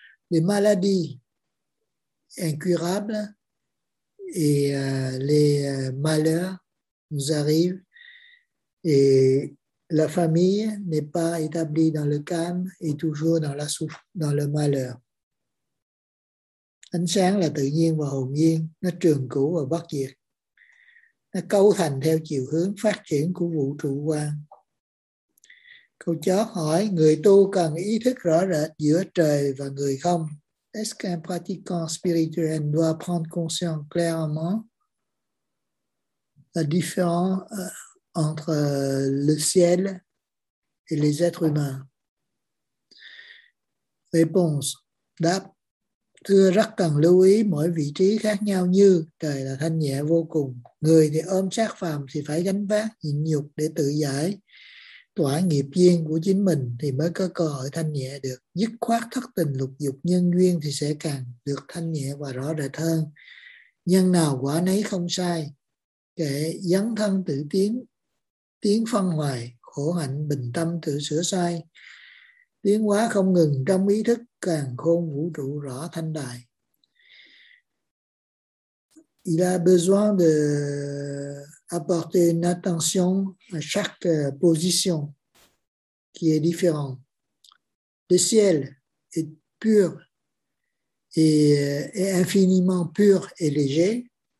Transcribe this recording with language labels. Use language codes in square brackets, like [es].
[fr] Les maladies incurables et les malheurs nous arrivent et la famille n'est pas établie dans le calme et toujours dans la souffrance, dans le malheur. [vi] Ánh sáng là tự nhiên và hồn nhiên, nó trường cửu và bất diệt. Nó cấu thành theo chiều hướng phát triển của vũ trụ quan. Câu chót hỏi, người tu cần ý thức rõ rệt giữa trời và người không? [fr] Est-ce qu'un pratiquant spirituel doit prendre conscience clairement la différence entre le ciel et les êtres humains? Réponse. [vi] Đáp. Thưa, rất cần lưu ý mỗi vị trí khác nhau như trời là thanh nhẹ vô cùng, người thì ôm xác phàm thì phải gánh vác nhịn nhục để tự giải tỏa nghiệp duyên của chính mình thì mới có cơ hội thanh nhẹ được. Dứt khoát thất tình lục dục nhân duyên thì sẽ càng được thanh nhẹ và rõ rệt hơn. Nhân nào quả nấy không sai, kể dấn thân tự tiến, tiến phân hoài, khổ hạnh bình tâm tự sửa sai. Tiến hóa không ngừng trong ý thức càng khôn vũ trụ rõ thanh đại. [fr] Il a besoin de apporter une attention à chaque position qui est différente. Le ciel est pur et est infiniment pur et léger.